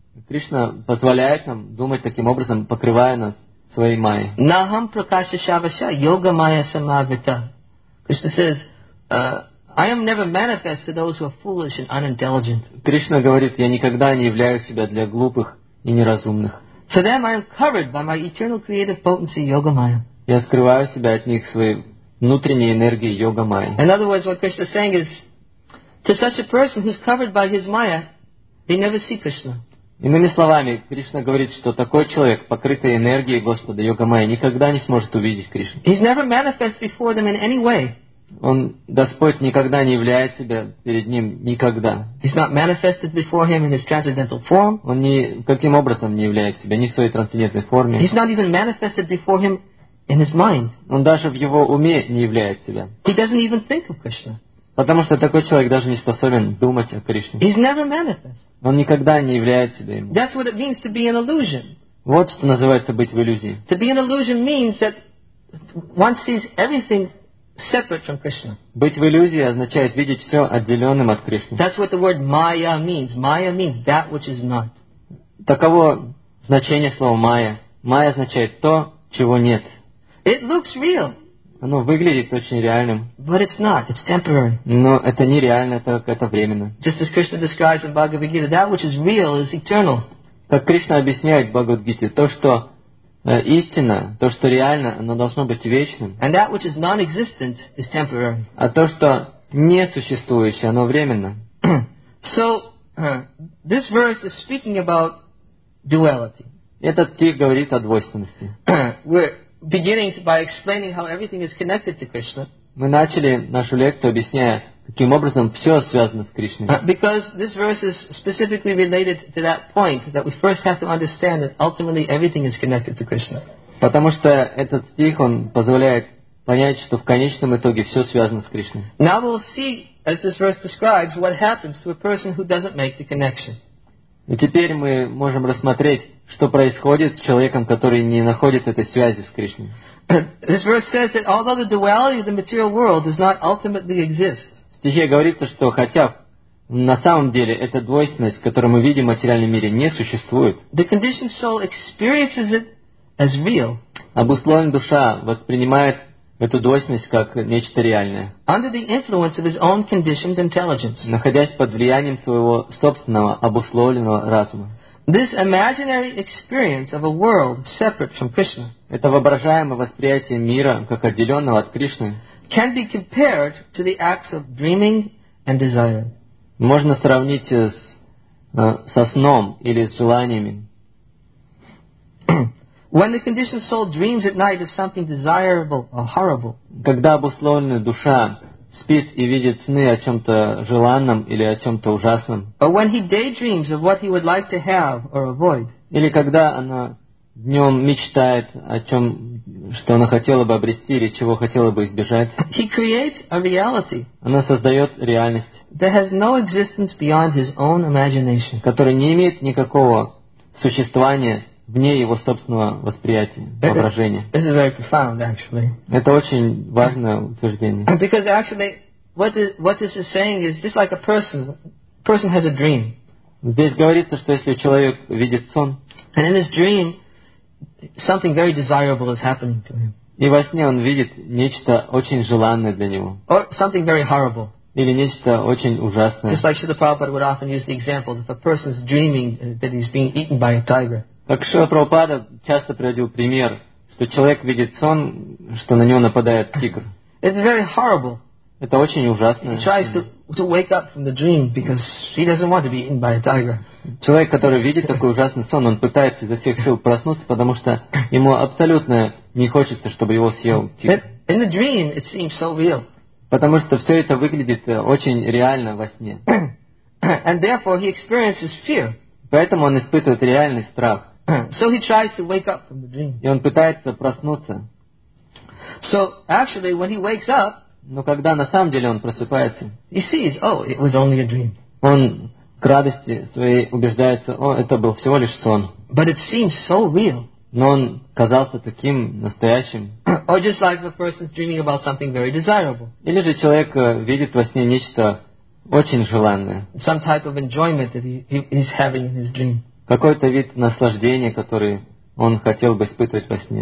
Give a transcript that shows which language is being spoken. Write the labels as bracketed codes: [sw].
[ru] Кришна позволяет нам думать таким образом, покрывая нас своей майей. [sa] Нахам пракаша шаваша йога майя самавита. [en] Кришна says, I am never manifest to those who are foolish and unintelligent. [ru] Кришна говорит, я никогда не являю себя для глупых и неразумных. [en] For them I am covered by my eternal creative potency yoga maya. [ru] Я скрываю себя от них своей внутренней энергией йога майя. [en] In other words, what Krishna is saying is, to such a person who is covered by his maya, they never see Krishna. [ru] Иными словами, Кришна говорит, что такой человек, покрытый энергией Господа йога майя, никогда не сможет увидеть Кришну. [en] He's never manifest before them in any way. [ru] Он, Господь, никогда не являет себя перед ним, никогда. [en] He's not manifested before him in his transcendental form. [ru] Он никаким образом не являет себя ни в своей трансцендентной форме. [en] He's not even manifested before him in his mind. [ru] Он даже в его уме не являет себя. [en] He doesn't even think of Krishna. [ru] Потому что такой человек даже не способен думать о Кришне. [en] He's never manifest. [ru] Он никогда не являет себя ему. [en] That's what it means to be an illusion. [ru] Вот что называется быть в иллюзии. [en] To be an illusion means that one sees everything separate from Krishna. [ru] Быть в иллюзии означает видеть все отделенным от Кришны. [en] That's what the word Maya means. Maya means that which is not. [ru] Таково значение слова Maya. Maya означает то, чего нет. [en] It looks real. [ru] Оно выглядит очень реальным. [en] But it's not. It's temporary. [ru] Но это не реально, это временно. [en] Just as Krishna describes in Bhagavad Gita, that which is real is eternal. [ru] Как Кришна объясняет в Бхагавад Гите, то что истина, то, что реально, оно должно быть вечным. [en] And that which is non-existent is temporary. [ru] А то, что несуществующее, оно временно. [en] So, this verse is speaking about duality. [ru] Этот стих говорит о двойственности. [en] We're beginning by explaining how everything is connected to Krishna. [ru] Мы начали нашу лекцию, объясняя, каким образом все связано с Кришной. [en] Because this verse is specifically related to that point that we first have to understand that ultimately everything is connected to Krishna. [ru] Потому что этот стих, он позволяет понять, что в конечном итоге все связано с Кришной. [en] Now we'll see, as this verse describes, what happens to a person who doesn't make the connection. [ru] И теперь мы можем рассмотреть, что происходит с человеком, который не находит этой связи с Кришной. [en] This verse says that although the duality of the material world does not ultimately exist, [ru] в стихе говорится, что хотя на самом деле эта двойственность, которую мы видим в материальном мире, не существует, [en] the conditioned soul experiences it as real. [ru] Обусловленная душа воспринимает эту двойственность как нечто реальное. [en] Under the influence of his own conditioned intelligence. [ru] Находясь под влиянием своего собственного обусловленного разума. [en] This imaginary experience of a world separate from Krishna. [ru] Это воображаемое восприятие мира как отделенного от Кришны. [en] Can be compared to the acts of dreaming and desire. [ru] Можно сравнить со сном или с желаниями. [en] When the conditioned soul dreams at night of something desirable or horrible. [ru] Когда обусловленная душа спит и видит сны о чем-то желанном или о чем-то ужасном. [en] Or when he daydreams of what he would like to have or avoid. [ru] Или когда она днем мечтает о чем, что она хотела бы обрести или чего хотела бы избежать. [en] He creates a reality. [ru] Она создает реальность. [en] That has no existence beyond his own imagination. [ru] Которая не имеет никакого существования вне его собственного восприятия, воображения. [en] This is very profound, actually. [ru] Это очень важное утверждение. [en] Because actually, what this is saying is just like a person has a dream. [ru] Здесь говорится, что если человек видит сон. [en] And in his dream, something very desirable is happening to him. [ru] И во сне он видит нечто очень желанное для него. [en] Or something very horrible. [ru] Или нечто очень ужасное. [en] Just like Srila Prabhupada would often use the example if a person is dreaming that he's being eaten by a tiger. [ru] Так Шрила Прабхупада часто приводил пример, что человек видит сон, что на него нападает тигр. [en] It's very horrible. [ru] Это очень ужасно. [en] He tries to wake up from the dream because he doesn't want to be eaten by a tiger. [ru] Человек, который видит такой ужасный сон, он пытается изо всех сил проснуться, потому что ему абсолютно не хочется, чтобы его съел тигр. [en] In the dream, it seems so real. [ru] Потому что все это выглядит очень реально во сне. [en] And therefore he experiences fear. [ru] Поэтому он испытывает реальный страх. [en] So he tries to wake up from the dream. [ru] И он пытается проснуться. [en] So actually, when he wakes up, [ru] но когда на самом деле он просыпается, [en] he sees, oh, it was only a dream. [ru] Он к радости своей убеждается, о, это был всего лишь сон. [en] But it seems so real. [ru] Но он казался таким настоящим. [en] Or just like the person's dreaming about something very desirable. [ru] Или же человек видит во сне нечто очень желанное. [en] Some type of enjoyment that he's having in his dream. [ru] какой-то вид наслаждения, который он хотел бы испытывать во сне.